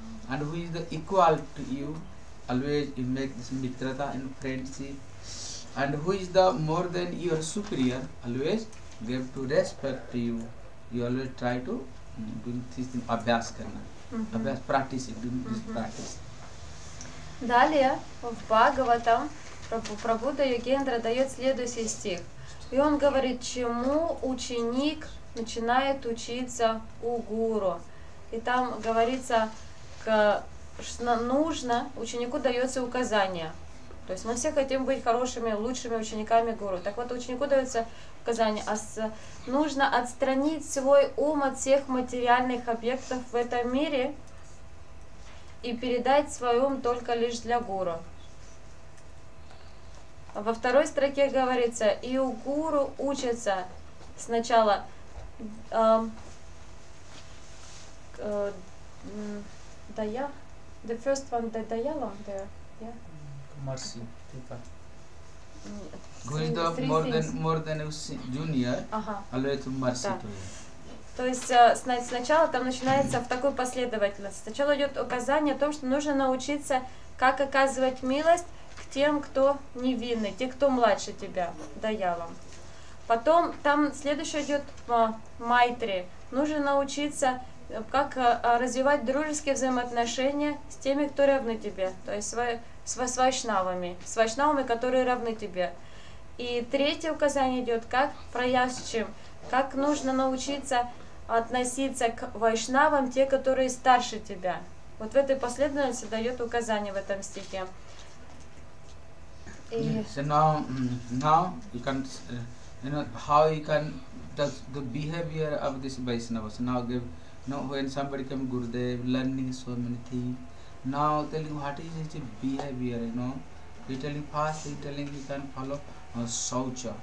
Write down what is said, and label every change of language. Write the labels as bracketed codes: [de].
[en] And who is the equal to you, always you make this mitrata and friendship. And who is the more than your superior, always give to respect to you. You always try to do this thing, [hi] abhyas karna, [en] abhyas practice, do this practice. [ru] Далее в Бхагаватам Прабхупада Йогендра дает следующий стих. И он говорит, чему ученик начинает учиться у гуру. И там говорится, что нужно, ученику дается указание. То есть мы все хотим быть хорошими, лучшими учениками гуру. Так вот, ученику дается указание. Нужно отстранить свой ум от всех материальных объектов в этом мире и передать свой ум только лишь для гуру. Во второй строке говорится, и у гуру учатся сначала [en] the first one, the dialogue there, yeah. Mercy, Tika. Who is the more than junior, always to mercy to you. [ru] То есть сначала там начинается в такой последовательности. Сначала идет указание о том, что нужно научиться, как оказывать милость к тем, кто невинный, те, кто младше тебя, даялам. Потом там следующее идет майтри. Нужно научиться, как развивать дружеские взаимоотношения с теми, кто равны тебе. То есть с вайшнавами. С вайшнавами, которые равны тебе. И третье указание идет, как праясчим. Как нужно научиться относиться к вайшнавам, те, которые старше тебя. Вот в этой последовательности дает указание в этом стихе. И... [en] You know how you can does the behavior of this Vaishnavas now give you know, when somebody came Gurudev learning so many things. Now telling what is his behavior, you know. He telling you can follow saucha.